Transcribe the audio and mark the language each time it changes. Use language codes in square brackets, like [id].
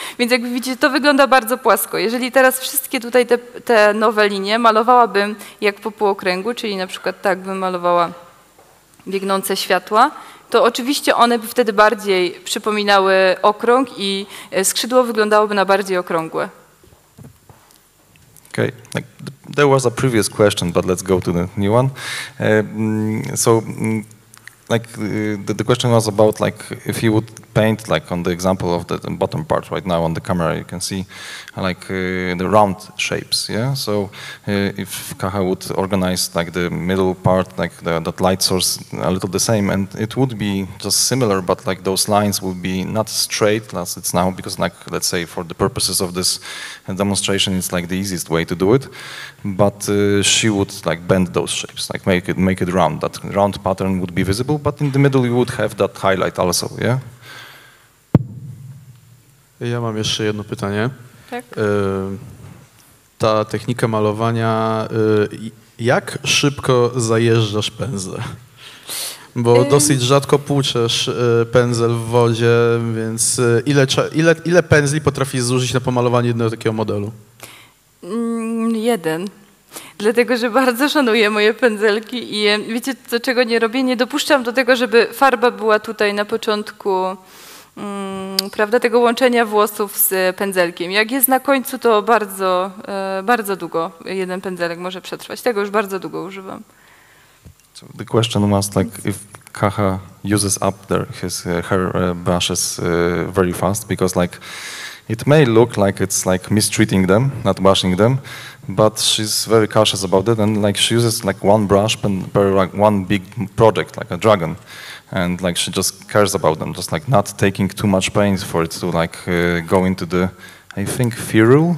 [pl] Więc jak widzicie, to wygląda bardzo płasko. Jeżeli teraz wszystkie tutaj te nowe linie malowałabym jak po półokręgu, czyli na przykład tak bym malowała biegnące światła, to oczywiście one by wtedy bardziej przypominały okrąg i skrzydło wyglądałoby na bardziej okrągłe. [en] Okay. There was a previous question, but let's go to the new one. The question was about like if you would paint like on the example of the bottom part right now on the camera, you can see like the round shapes. Yeah. So if Kaha would organize like the middle part, like that light source a little the same, and it would be just similar, but like those lines would be not straight as it's now, because like let's say for the purposes of this demonstration, it's like the easiest way to do it. But she would like bend those shapes, like make it round. That round pattern would be visible, but in the middle you would have that highlight also, yeah? [pl] Ja mam jeszcze jedno pytanie. Tak. Ta technika malowania, jak szybko zajeżdżasz pędzle? Bo dosyć rzadko płuczesz pędzel w wodzie, więc ile pędzli potrafisz zużyć na pomalowanie jednego takiego modelu? Jeden. Dlatego, że bardzo szanuję moje pędzelki i wiecie, co, czego nie robię? Nie dopuszczam do tego, żeby farba była tutaj na początku, prawda, tego łączenia włosów z pędzelkiem. Jak jest na końcu, to bardzo, bardzo długo jeden pędzelek może przetrwać. Tego już bardzo długo używam. [en] So the question was like if Kaha uses up her brushes very fast, because like it may look like it's like mistreating them, not washing them, but she's very cautious about it, and like she uses like one brush per like one big project, like a dragon, and like she just cares about them, just like not taking too much paint for it to like go into the, I think, ferrule.